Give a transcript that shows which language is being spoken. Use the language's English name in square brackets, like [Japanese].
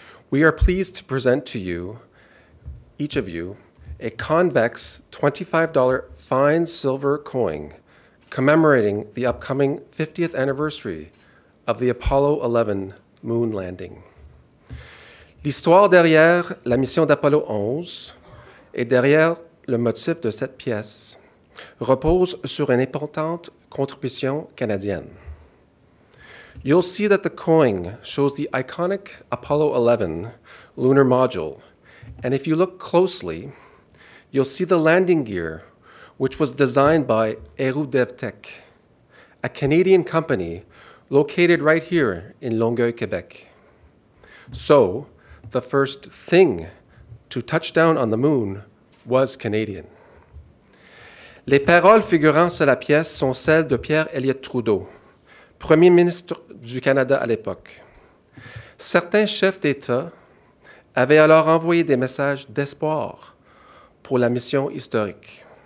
[English] We are pleased to present to you, each of you, a convex $25 fine silver coin commemorating the upcoming 50th anniversary of the Apollo 11 moon landing. [French] L'histoire derrière la mission d'Apollo 11 et derrière le motif de cette pièce repose sur une importante contribution canadienne. [English] You'll see that the coin shows the iconic Apollo 11 lunar module, and if you look closely, you'll see the landing gear, which was designed by AeroDevTech, a Canadian company located right here in Longueuil, Quebec. So, the first thing to touch down on the moon was Canadian. [French] Les paroles figurant sur la pièce sont celles de Pierre Elliott Trudeau, premier ministre du Canada à l'époque. Certains chefs d'État avaient alors envoyé des messages d'espoir pour la mission historique.